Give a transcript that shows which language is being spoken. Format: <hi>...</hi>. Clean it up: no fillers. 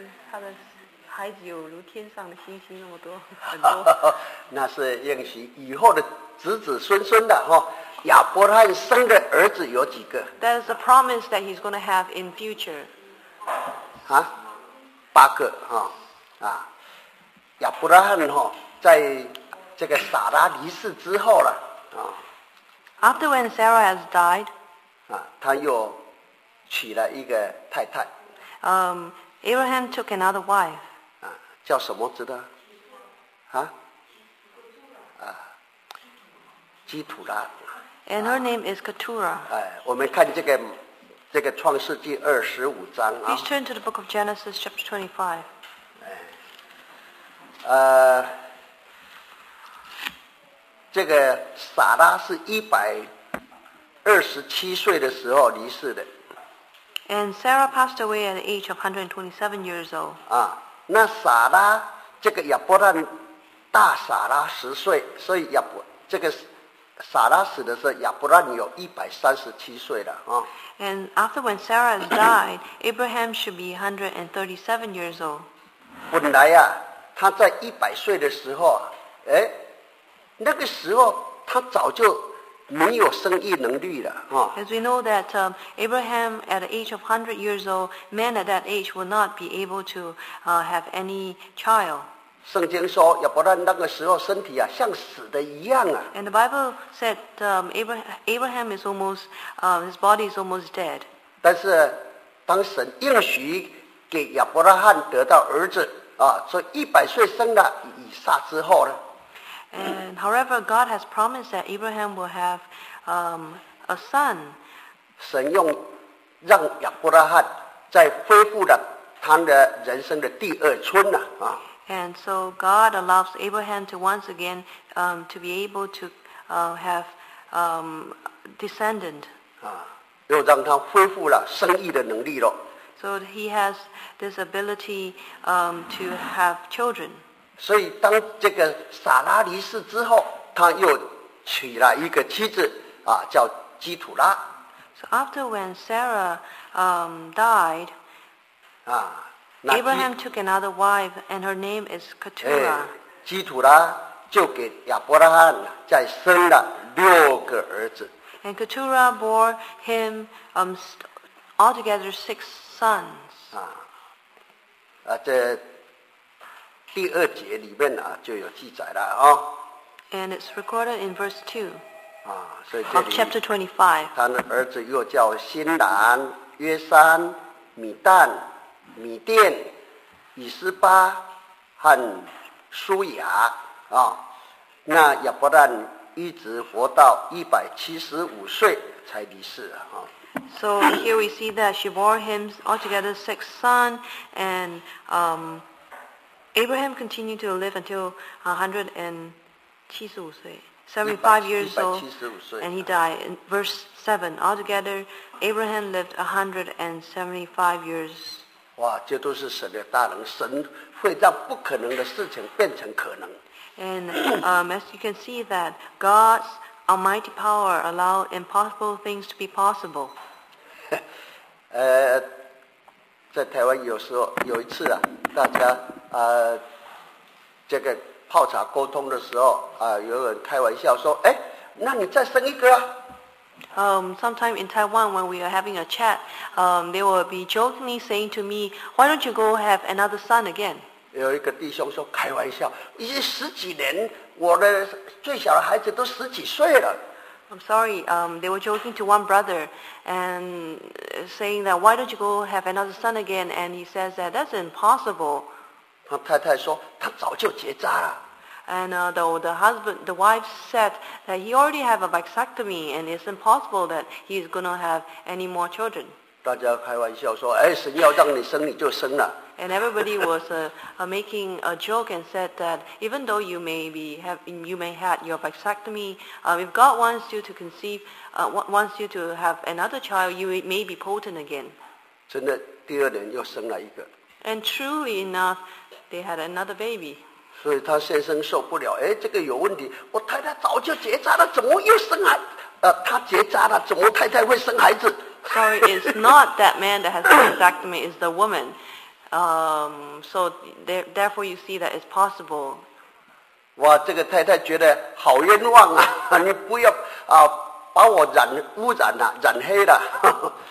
<zh>他的孩子有如天上的星星那么多很多那是应许以后的子子孙孙的、哦、亚伯拉罕生的儿子有几个</zh> <en>That is a promise that he's going to have in future</en> <zh>8个、哦啊、亚伯拉罕、哦、在这个撒拉离世之后了、</zh> <en>哦、After when Sarah has died、</en> <zh>他又娶了一个太太、</zh> <en>Abraham took another wife.</en> <zh>叫什么知道？基土拉。</zh> <en>And her name is Keturah.</en> <zh>我们看这个创世纪25章啊。</zh> <en>Please turn to the book of Genesis, chapter 25.</en> <zh>这个撒拉是127岁的时候离世的。</zh> <en>And Sarah passed away at the age of 127 years old.</en> <zh>那撒拉这个亚伯兰大撒拉10岁，所以亚伯这个撒拉死的时候，亚伯兰有137岁了啊。</zh> <en>And after when Sarah has died, Abraham should be 137 years old.</en> <zh>本来他在100岁的时候，那个时候他早就没有生育能力的、</zh> <en>哦、As we know that、Abraham at the age of 100 years old, men at that age will not be able to、have any child.</en> <zh>圣经说亚伯兰那个时候身体、啊、像死的一样、啊、</zh> <en>And the Bible said、Abraham is almost、his body is almost dead.</en> <zh>但是当神应许给亚伯拉罕得到儿子、啊、所以100岁生了以撒之后呢</zh> <en>And however, God has promised that Abraham will have、a son.</en> <zh>神用让亚伯拉罕再恢复了他的人生的第二春呢、啊、</zh> <en>And so God allows Abraham to once again、to be able to、have、descendant.</en> <zh>又让他恢复了生育的能力了。</zh> <en>So he has this ability、to have children.</en> <zh>所以当这个撒拉离世之后他又娶了一个妻子、啊、叫基土拉</zh> <en>So after when Sarah、died、啊、 Abraham took another wife and her name is Keturah、哎、</en> <zh>基土拉就给亚伯拉罕再生了六个儿子</zh> <en>And Keturah bore him、altogether six sons</en> <zh>这第二节里面、啊、就有记载了、</zh> <en>哦、And it's recorded in verse 2、</en> <zh>啊、所以这里</zh> <en>of chapter 25</en> <zh>他的儿子又叫新兰约山米旦米甸以斯巴和苏雅、啊、那亚伯兰一直活到175岁才离世、啊、</zh> <en>So here we see that she bore him altogether six sons and Abraham continued to live until 175 years old, and he died. In verse 7, altogether, Abraham lived 175 years.</en> <zh>哇，这都是神的大能，神会让不可能的事情变成可能。</zh> <en>And、as you can see that God's almighty power allowed impossible things to be possible.</en> <zh>在台湾有时候有一次啊，大家这个泡茶沟通的时候啊、有人开玩笑说，哎，那你再生一个啊？</zh> <en>Sometime in Taiwan when we are having a chat, they will be jokingly saying to me, "Why don't you go have another son again?"</en> <zh>有一个弟兄说开玩笑，已经十几年，我的最小的孩子都十几岁了。</zh> <en>I'm sorry, they were joking to one brother and saying that why don't you go have another son again? And he says that that's impossible.</en> <zh>他太太说他早就结扎了。</zh> <en>And the wife said that he already have a vasectomy and it's impossible that he's going to have any more children.</en> <zh>大家开玩笑说哎，神要让你生你就生了。</zh> <en>And everybody was making a joke and said that even though you may be have your vasectomy,、if God wants you to conceive,、wants you to have another child, you may be potent again.</en> <zh>真的，第二年又生了一个。</zh> <en>And truly enough, they had another baby.</en> <zh>所以他先生受不了，哎，这个有问题。我太太早就结扎了，怎么又生孩？他结扎了，怎么太太会生孩子</zh> <en>？Sorry, it's not that man that has a vasectomy; it's the woman. So therefore you see that it's possible.</en> <zh>哇，这个太太觉得好冤枉啊，你不要啊把我染污染了、啊、染黑了。</zh>